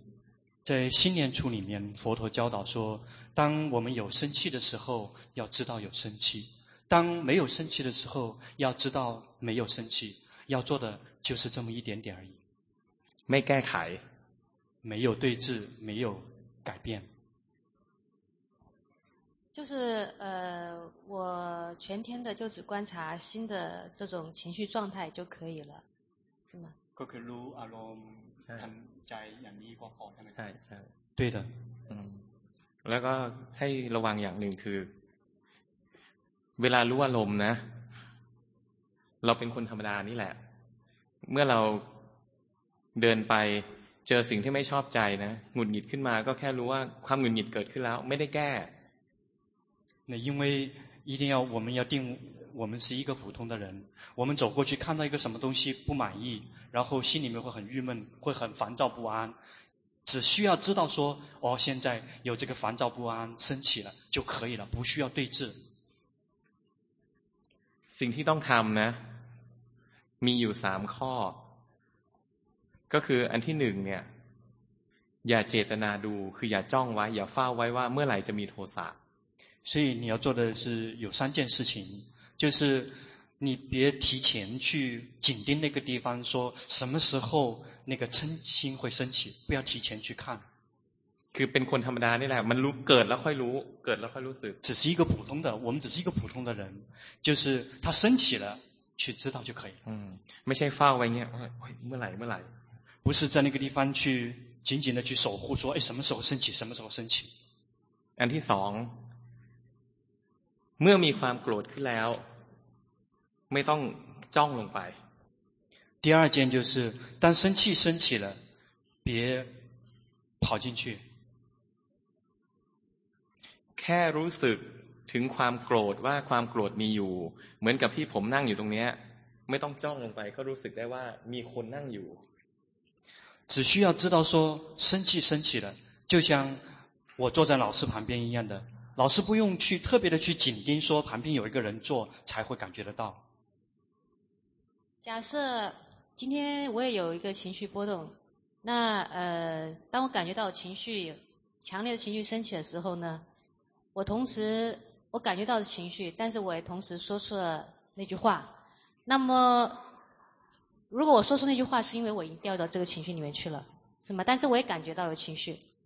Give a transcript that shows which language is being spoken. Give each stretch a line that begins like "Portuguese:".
Chinese: 在心念处里面佛陀教导说当我们有生气的时候要知道有生气当没有生气的时候要知道没有生气要做的就是这么一点点而已没改改没有对峙没有改变就是我全天的就只观察新的这种情绪状态就可以了是吗
Thai: ก็คือรู้อารมณ์ทำใจอย่างนี้ก็พอใช่ไหม ใช่ใช่
Chinese: 对的
Thai: แล้วก็ให้ระวังอย่างหนึ่งคือเวลารู้อารมณ์นะเราเป็นคนธรรมดานี่แหละเมื่อเราเดินไปเจอสิ่งที่ไม่ชอบใจนะหงุดหงิดขึ้นมาก็แค่รู้ว่าความหงุดหงิดเกิดขึ้นแล้วไม่ได้แก้
Chinese: 那因为一定要我们要定我们是一个普通的人我们走过去看到一个什么东西不满意然后心里面会很郁闷会很烦躁不安只需要知道说哦现在有这个烦躁不安升起了就可以了不需要对峙
Thai: สิ่งที่ต้องทำนะมีอยู่3ข้อก็คืออันที่หนึ่งเนี่ยอย่าเจตนาดูคืออย่าจ้องไว้อย่าเฝ้าไว้ว่าเมื่อไหร่จะมีโทสะ
Chinese: 所以你要做的是有三件事情就是你别提前去紧盯那个地方说什么时候那个嗔心会升起不要提前去看
Thai: คือเป็นคนธรรมดานี่แหละมันรู้เกิดแล้วค่อยรู้เกิดแล้วค่อยรู้สึก
Chinese: 只是一个普通的我们只是一个普通的人就是它升起了去知道就可以
Thai: ไม่ใช่เฝ้าไว้เนี่ยเมื่อไหร่เมื่อไหร่
Chinese: 不是在那个地方去紧紧的去守护说哎什么时候升起什么时候升起
Thai: อันที่สองเมื่อมีความโกรธขึ้นแล้วไม่ต้องจ้องลงไป
Chinese: 第二件就是当生气升起了别跑进去
Thai: แค่รู้สึกถึงความโกรธว่าความโกรธมีอยู่เหมือนกับที่ผมนั่งอยู่ตรงเนี้ยไม่ต้องจ้องลงไปก็รู้สึกได้ว่ามีคนนั่งอยู่
Chinese: 只需要知道说生气升起了就像我坐在老师旁边一样的老师不用去特别的去紧盯说旁边有一个人坐才会感觉得到假设今天我也有一个情绪波动那当我感觉到情绪强烈的情绪升起的时候呢我同时我感觉到的情绪但是我也同时说出了那句话那么如果我说出那句话是因为我已经掉到这个情绪里面去了是吗但是我也感觉到有情绪